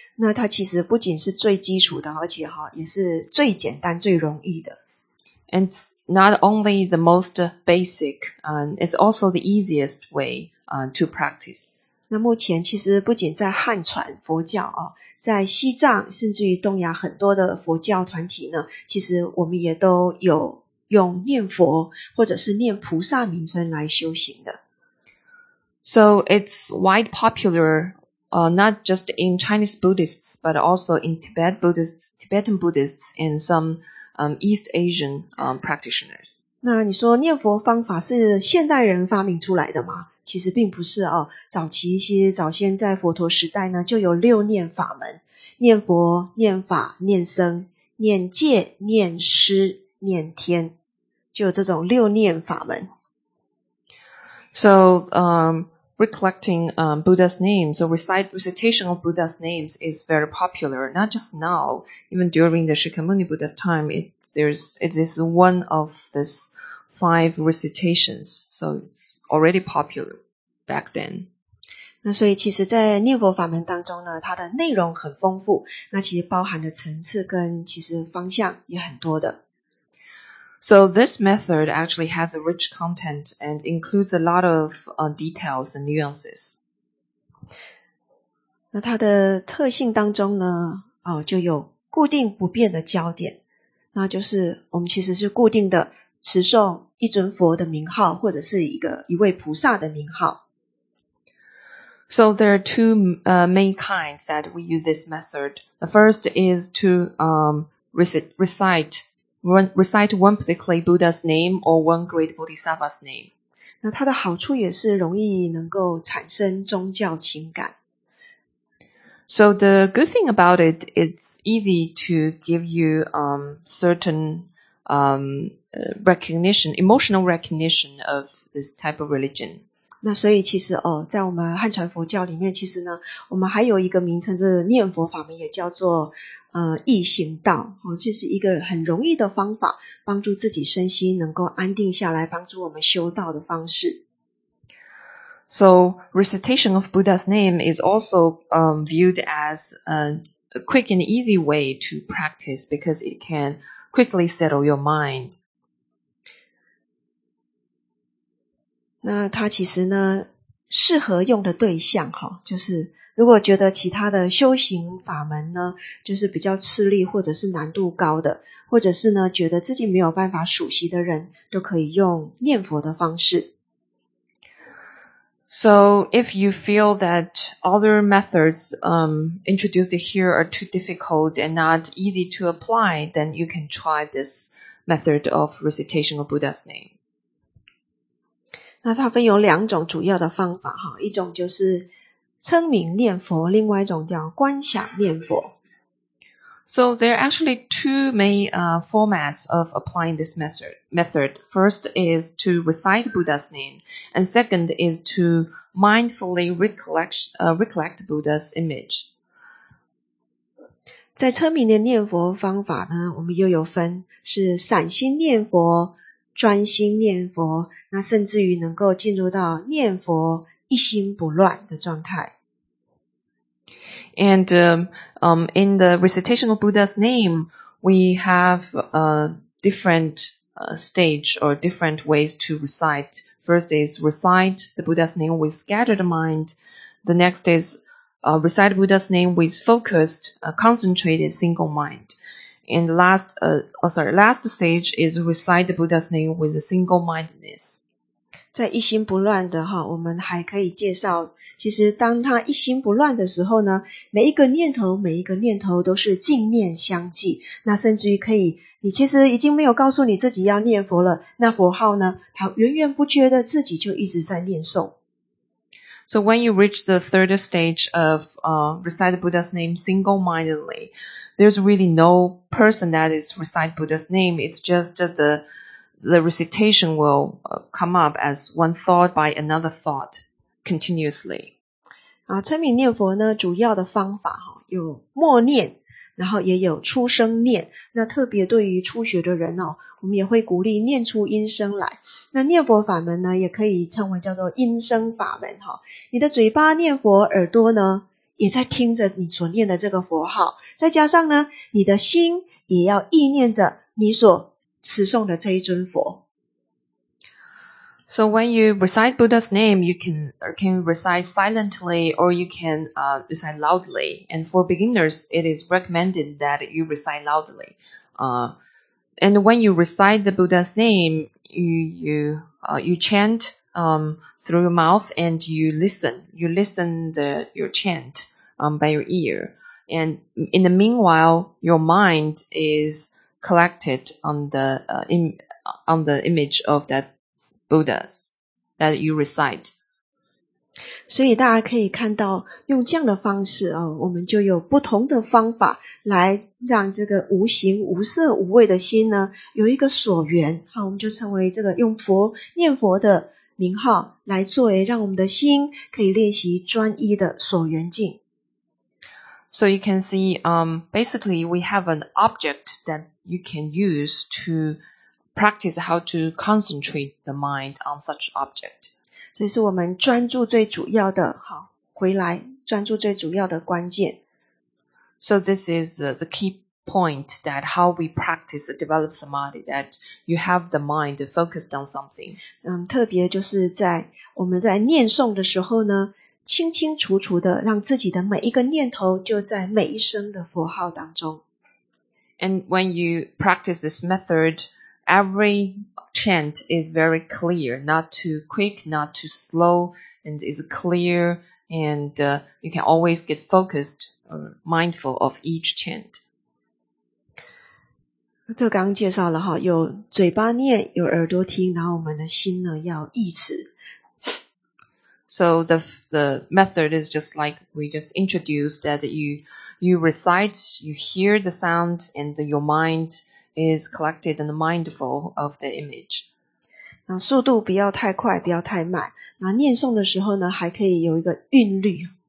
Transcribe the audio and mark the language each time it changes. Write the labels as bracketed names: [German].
[Chinese] 那它其实不仅是最基础的，而且也是最简单最容易的。 [English] And it's not only the most basic, it's also the easiest way to practice. [Chinese] 那目前其实不仅在汉传佛教在西藏甚至于东亚很多的佛教团体呢，其实我们也都有用念佛或者是念菩萨名称来修行的。 [English] So it's wide popular, not just in Chinese Buddhists, but also in Tibet Buddhists, Tibetan Buddhists, and some East Asian practitioners. [Chinese] 那你说念佛方法是现代人发明出来的吗？其实并不是哦，早先在佛陀时代呢，就有六念法门：念佛、念法、念僧、念戒、念师。念天，就有这种六念法门。 [English] So, recollecting Buddha's name, so recitation of Buddha's names is very popular. Not just now, even during the Shakyamuni Buddha's time, it is one of these five recitations. So it's already popular back then. [Chinese] 那所以其实，在念佛法门当中呢，它的内容很丰富。那其实包含的层次跟其实方向也很多的。 [English] So this method actually has a rich content and includes a lot of details and nuances. [Chinese] 那它的特性当中呢，就有固定不变的焦点，那就是我们其实是固定的持诵一尊佛的名号，或者是一位菩萨的名号。 [English] So there are two main kinds that we use this method. The first is to recite one particular Buddha's name or one great Bodhisattva's name. [Chinese] 那它的好处也是容易能够产生宗教情感。 [English] So the good thing about it, it's easy to give you certain recognition, emotional recognition of this type of religion. [Chinese] 那所以其实在我们汉传佛教里面，其实呢，我们还有一个名称，就是念佛法门，也叫做易行道，这是一个很容易的方法，帮助自己身心能够安定下来，帮助我们修道的方式。 [English] So recitation of Buddha's name is also viewed as a quick and easy way to practice because it can quickly settle your mind. [Chinese] 那它其实呢，适合用的对象就是如果觉得其他的修行法门呢，就是比较吃力或者是难度高的，或者是呢觉得自己没有办法熟悉的人，都可以用念佛的方式。 [English] So if you feel that other methods introduced here are too difficult and not easy to apply, then you can try this method of recitation of Buddha's name. [Chinese] 那它分有两种主要的方法哈，一种就是称名念佛，另外一种叫观想念佛。 [English] So there are actually two main formats of applying this method. First is to recite Buddha's name, and second is to mindfully recollect Buddha's image. [Chinese] 在称名的念佛方法呢，我们又有分是散心念佛、专心念佛，那甚至于能够进入到念佛一心不乱的状态。 [English] And in the recitation of Buddha's name, we have a different stage or different ways to recite. First is recite the Buddha's name with scattered mind. The next is recite Buddha's name with focused, concentrated, single mind. And last stage is recite the Buddha's name with a single-mindedness. [Chinese] 在一心不乱的哈，我们还可以介绍，其实当他一心不乱的时候呢，每一个念头每一个念头都是净念相继，那甚至于可以，你其实已经没有告诉你自己要念佛了，那佛号呢，他源源不绝的自己就一直在念诵。 [English] So when you reach the third stage of recite the Buddha's name single-mindedly, there's really no person that is recite Buddha's name. It's just the recitation will come up as one thought by another thought continuously. [Chinese] 称名念佛呢，主要的方法有默念，然后也有出声念。那特别对于初学的人哦，我们也会鼓励念出音声来。那念佛法门呢，也可以称为叫做音声法门哈。你的嘴巴念佛，耳朵呢也在听着你所念的这个佛号，再加上呢，你的心也要意念着你所持诵的这一尊佛。 [English] So when you recite Buddha's name, you can recite silently or you can recite loudly. And for beginners, it is recommended that you recite loudly. And when you recite the Buddha's name, you chant through your mouth and you listen. You listen your chant by your ear. And in the meanwhile, your mind is collected on the image of that Buddhas that you recite. [Chinese] 所以大家可以看到用这样的方式，我们就有不同的方法来让这个无形无色无味的心呢有一个所缘，好，我们就称为这个用佛念佛的名号来作为让我们的心可以练习专一的所缘境。 [English] So you can see basically we have an object that you can use toPractice how to concentrate the mind on such object. [Chinese] 所以是我们专注最主要的，好，回来，专注最主要的关键。 [English] So this is the key point that how we practice develop samadhi, that you have the mind focused on something. [Chinese] 特别就是在我们在念诵的时候呢，清清楚楚的让自己的每一个念头就在每一声的佛号当中。 [English] And when you practice this method,Every chant is very clear, not too quick, not too slow, and is clear, and you can always get focused or mindful of each chant. [Chinese] 这刚刚介绍了哈，有嘴巴念，有耳朵听，然后我们的心呢要意识。 [English] So the method is just like we just introduced that you recite, you hear the sound, and your mindis collected and mindful of the image. [Chinese] 速度不要太快，不要太慢。念诵的时候呢，还可以有一个韵律。